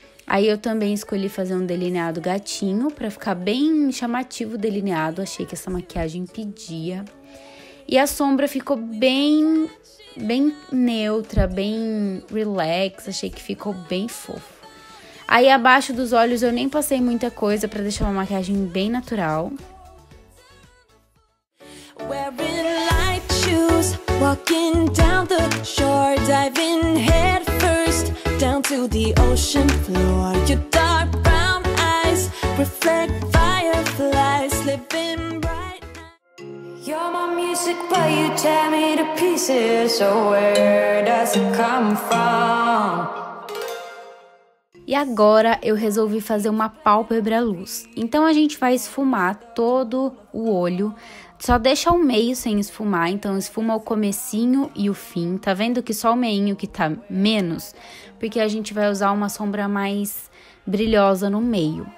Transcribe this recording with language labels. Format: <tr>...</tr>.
<pt>Aí eu também escolhi fazer um delineado gatinho pra ficar bem chamativo o delineado, achei que essa maquiagem pedia. E a sombra ficou bem neutra, bem relax, achei que ficou bem fofo. Aí abaixo dos olhos eu nem passei muita coisa pra deixar uma maquiagem bem natural.</pt> <en>Wearing light shoes, walking down the shore, diving head first down to the ocean floor. Your dark brown eyes reflect fireflies, living bright now. You're my music, but you tear me to pieces. So where does it come from?</en> <pt>E agora eu resolvi fazer uma pálpebra luz. Então a gente vai esfumar todo o olho. Só deixa o meio sem esfumar. Então esfuma o comecinho e o fim. Tá vendo que só o meinho que tá menos? Porque a gente vai usar uma sombra mais brilhosa no meio.</pt>